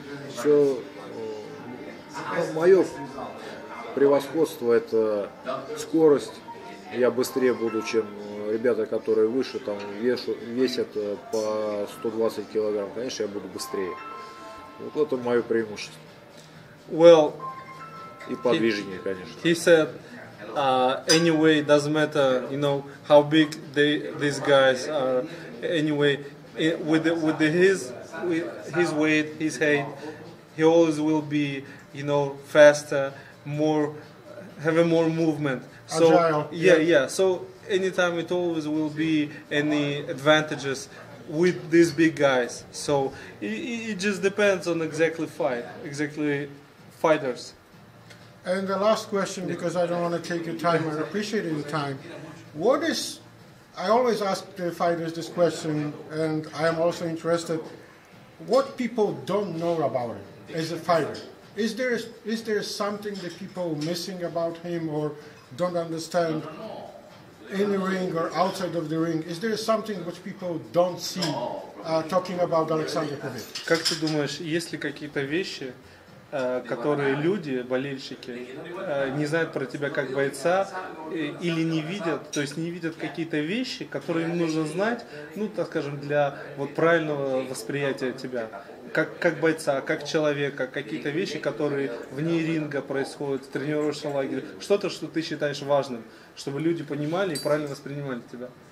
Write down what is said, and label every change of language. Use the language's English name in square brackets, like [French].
[Russian] Все, мое превосходство – это скорость. Я быстрее буду, чем ребята, которые выше, там весят по 120 килограмм. Конечно, я буду быстрее. Вот это мое преимущество. [English] Well, [Russian] и подвижнее, конечно. [English] He said, anyway, doesn't matter, you know, how big these guys are. Anyway, with his weight, his height, he always will be, you know, faster, more, have a more movement. So agile. Yeah. So anytime, it always will be any advantages with these big guys. So it just depends on exactly fighters. And the last question, because I don't want to take your time, I appreciate your time. What is, I always ask the fighters this question, and I am also interested, what people don't know about him as a fighter? Is there something that people are missing about him or don't understand in the ring or outside of the ring? Is there something which people don't see talking about Alexander Povetkin? [Russian] Как ты думаешь, есть ли какие-то вещи, которые люди, болельщики, не знают про тебя как бойца или не видят, то есть не видят какие-то вещи, которые им нужно знать, ну, так скажем, для вот правильного восприятия тебя, как бойца, как человека, какие-то вещи, которые вне ринга происходят, в тренировочном лагере, что-то, что ты считаешь важным, чтобы люди понимали и правильно воспринимали тебя?